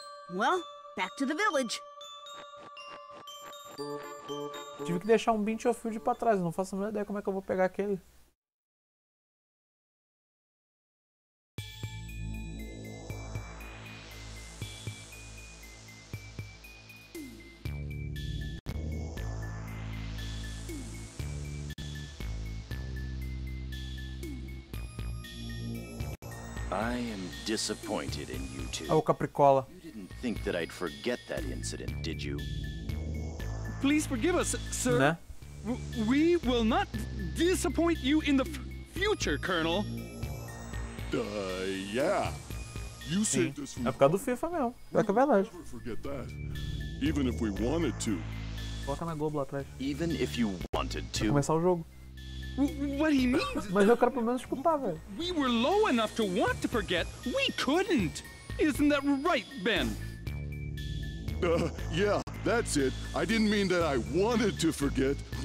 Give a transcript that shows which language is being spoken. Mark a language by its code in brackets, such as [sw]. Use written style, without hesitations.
[en] Well, back to the village. [pt] Tive que deixar um Beach of Field pra trás, não faço a menor ideia como é que eu vou pegar aquele. [en] I am disappointed in you two. Oh, Capricola. You didn't think that I'd forget that incident, did you? Please forgive us, sir. [pt] Né? [en] We will not disappoint you in the future, Colonel. Yeah. You saved us from... [pt] É por causa do FIFA mesmo. É que é verdade. [en] Never forget that. Even if we wanted to. [pt] Coloca na Globo lá atrás. [en] Even if you wanted to. [pt] Vai começar o jogo. [en] What he means? [pt] Mas eu quero pelo menos escutar, velho. [en] We were low enough to want to forget. We couldn't. Isn't that right, Ben? Yeah, that's it. I didn't mean that I wanted to forget.